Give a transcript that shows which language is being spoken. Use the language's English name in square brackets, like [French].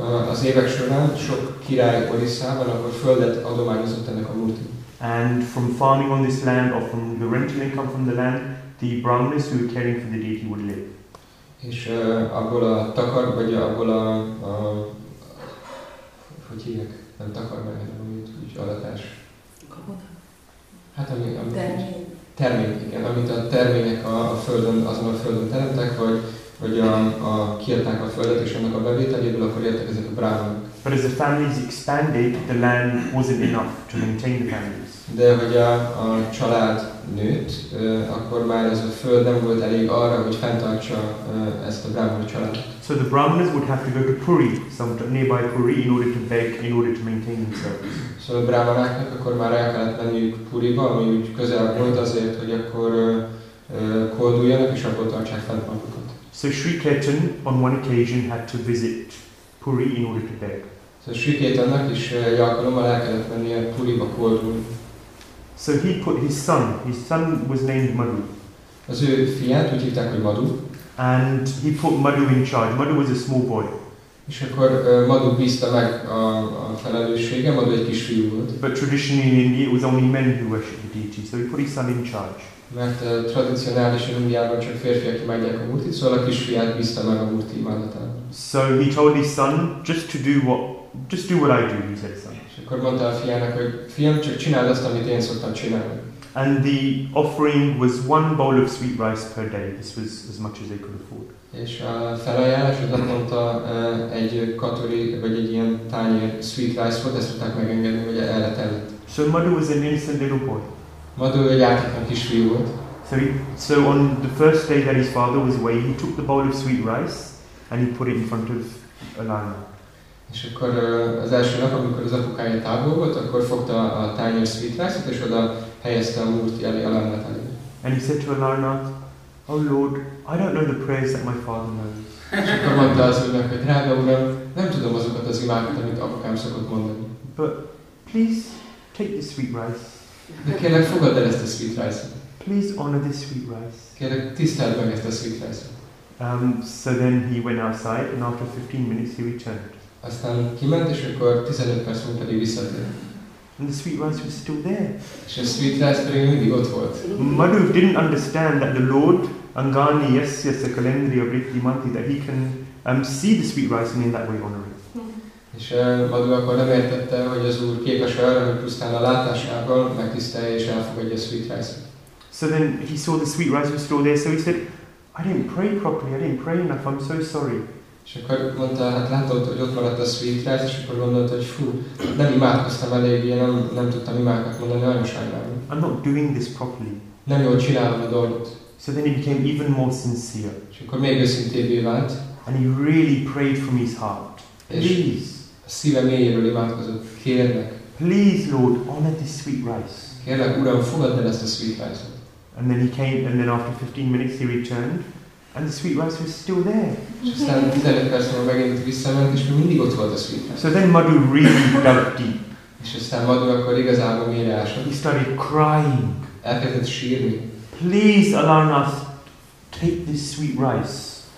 [Hungarian] Az évek során sok király Orissában akkor földet adományozott ennek a murti. [English] And from farming on this land, or from the rental income from the land, the Brahmanas who were caring for the deity would live. [Hungarian] És abból a takar, vagy abból a... hogy hívják? Nem takar, vagy amit úgy adatás. Hát termény, igen, amit a termények a földön, azon a földön teremtek, vagy a kiadták a földet és annak a bevételéből, akkor jöttek ezek a brahmanok. [English] But as the families expanded, the land wasn't enough to maintain the families. [Hungarian] De hogy a család nőtt, akkor már ez a föld nem volt elég arra, hogy fenntartsa ezt a brahman családot. [English] So the brahmanas would have to go to Puri, some nearby Puri, in order to beg, in order to maintain themselves. [Hungarian] So a brahmanáknak akkor már el kellett menniük Puriba, ami úgy közel volt azért, hogy akkor kolduljanak és akkor tartsák fent magukat. [English] So Sri Ketan on one occasion had to visit Puri in order to beg. [Hungarian] So Sri Ketannak is egy alkalommal el kellett mennie Puriba koldulni. [English] So he put his son was named Madhu. [Hungarian] Az ő fiát úgy hívták, hogy Madhu. [English] And he put Madhu in charge. Madhu was a small boy. [Hungarian] És akkor Madhu bízta meg a felelősséget, Madhu egy kis fiú volt. [English] But traditionally in India it was only men who worshipped the deity, so he put his son in charge. [Hungarian] Mert tradicionálisan Indiában csak férfiak imádják a Murtit, szóval a kisfiát bízta meg a Murti imádatán. [English] So he told his son, just do what I do, he said his son. [Hungarian] És akkor mondta a fiának, hogy fiam, csak csináld azt, amit én szoktam csinálni. [English] And the offering was one bowl of sweet rice per day. This was as much as they could afford. [Hungarian] És a felajánlás, hogy mondta egy katori, vagy egy ilyen tányér sweet rice volt, ezt tudták megengedni, hogy el lett előtt. [English] So Madhu was an innocent little boy. [Hungarian] Madhu egy átlagos kisfiú volt. [English] So on the first day that his father was away, he took the bowl of sweet rice and he put it in front of a lion. [Hungarian] És akkor az első nap, amikor az apukája távol volt, akkor fogta a tányér sweet rice-ot, és oda helyezte a Murti elé, a lámát elé. [English] And he said to Alarna, oh Lord, I don't know the prayers that my father knows. [Hungarian] És akkor mondta az ügynek, hogy drága uram, nem tudom azokat az imákat, amit apukám szokott mondani. [English] But please take this sweet rice. [Hungarian] De kérlek, fogadd el ezt a sweet rice-ot. [English] Please honor this sweet rice. [Hungarian] Kérlek, tiszteld meg ezt a sweet rice-ot. [English] So then he went outside and after 15 minutes he returned. [Hungarian] Aztán kiment, és akkor 15 perc múlva pedig visszatért. [English] And the sweet rice was still there. [Hungarian] És a sweet rice pedig mindig ott volt. [English] Madhu didn't understand that the Lord Angani Yasya Sakalendri of Rittimati, that he can see the sweet rice and in that way honor it. [Hungarian] És Madhu akkor nem értette, hogy az Úr képes arra, hogy pusztán a látásával megtisztelje és elfogadja a sweet rice-t. [English] So then he saw the sweet rice was still there, so he said, I didn't pray properly, I didn't pray enough, I'm so sorry. [Hungarian] És akkor mondta, hát látod, hogy ott maradt a sweet rice, és akkor gondolta, hogy fú, nem imádkoztam elég, én nem tudtam imákat mondani, nagyon sajnálom. [English] I'm not doing this properly. [Hungarian] Nem jól csinálom a dolgot. [English] So then he became even more sincere. [Hungarian] És akkor még őszintébbé vált. [English] And he really prayed from his heart. Please. [Hungarian] A szíve mélyéről imádkozott. Kérlek. [English] Please, Lord, honor this sweet rice. [Hungarian] Kérlek, Uram, fogadd el ezt a sweet rice-ot. [English] And then he came, and then after 15 minutes he returned. And the sweet rice was still there. So then Madhu really dug deep. He started crying. Please, Alarnath, take this sweet rice.